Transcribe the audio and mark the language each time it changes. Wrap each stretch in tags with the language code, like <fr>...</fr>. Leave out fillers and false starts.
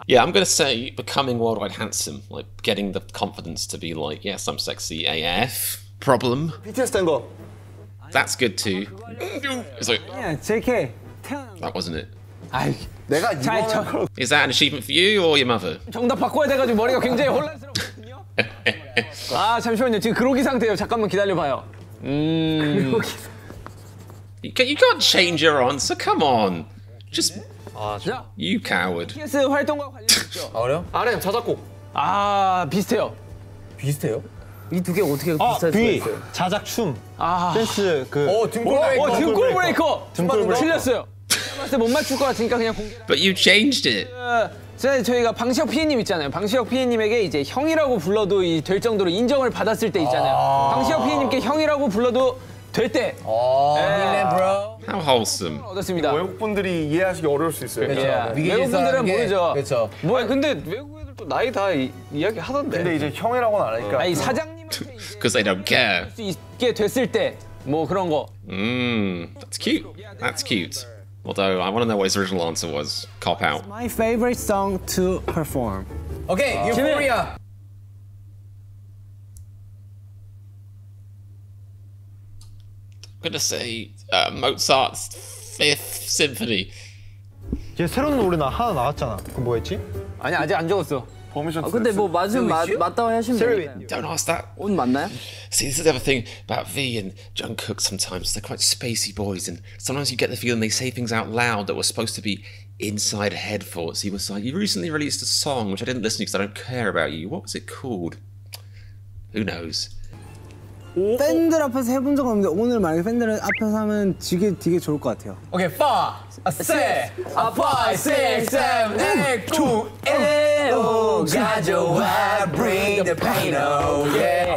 <en>Yeah, I'm gonna say becoming worldwide handsome, like getting the confidence to be like, yes, I'm sexy AF. Problem.</en> <ko>BTS 된 거.</ko> <en>That's good too. It's like, yeah, JK. That wasn't it.</en> <ko>아이, 내가 이거. 저...</ko> <en>Is that an achievement for you or your mother?</en> <ko>정답 바꿔야 돼가지고 머리가 굉장히 혼란스러워. 아 잠시만요 지금 그로기 상태예요 잠깐만 기다려봐요</ko> <en>You can't change your answer, come on. Just...</en> <ko>아, 저...</ko> <en>You coward.</en> <ko>BTS 활동과 관련있죠? 아 그래요? RM 자작곡 아 비슷해요 비슷해요? 이 두 개 어떻게 비슷할 수가 있어요? 자작춤 아... 댄스 그... 오 등골 브레이커 등골 브레이커 등골 브레이커 틀렸어요 맞았을 때 못 맞출 것 같으니까 그냥 공개</ko> <en>But you changed it</en> <ko>저희가 방시혁 PD님 있잖아요. 방시혁 PD님에게 이제 형이라고 불러도 될 정도로 인정을 받았을 때 있잖아요. 방시혁 PD님께 형이라고 불러도 될 때. 형이네, bro.</ko> <en>How wholesome.</en> <ko>어떻습니다. 외국 분들이 이해하시기 어려울 수 있어요. 그렇죠. 외국 분들은 모르죠. 그렇죠. 뭐야, 근데 외국인들 또 나이 다 이야기 하던데. 근데 이제 형이라고는 안 하니까. 아니 사장님한테 이제</ko> <en>Because they don't care. 할</en> <ko>수 있게 됐을 때 뭐 그런 거.</ko> <en>That's cute. That's cute. Although, I want to know what his original answer was. Cop out. My favorite song to perform. Okay, Euphoria! I'm gonna say Mozart's Fifth Symphony.</en> <ko>얘 새로운 노래 나 하나 나왔잖아. 그 뭐였지? 아니, 아직 안 적었어. 퍼미션 아, 근데 뭐 맞으면 맞다고 하시면</ko> <en>돼요. Don't ask that.</en> <ko>온 맞나요?</ko> <en>See, this is the other thing about V and Jungkook sometimes. They're quite spacey boys and sometimes you get the feeling they say things out loud that were supposed to be inside head thoughts. He was like, you recently released a song which I didn't listen to because I don't care about you. What was it called? Who knows?</en> <ko>팬들 앞에서 해본 적 없는데 오늘 만약에 팬들 앞에서 하면 되게 좋을 것 같아요. 오케이, 파, 세, 아, 파, 세, 쌤, 에, 투, 에, 오, 가져와,</ko> <en>bring the pain, oh yeah,</en>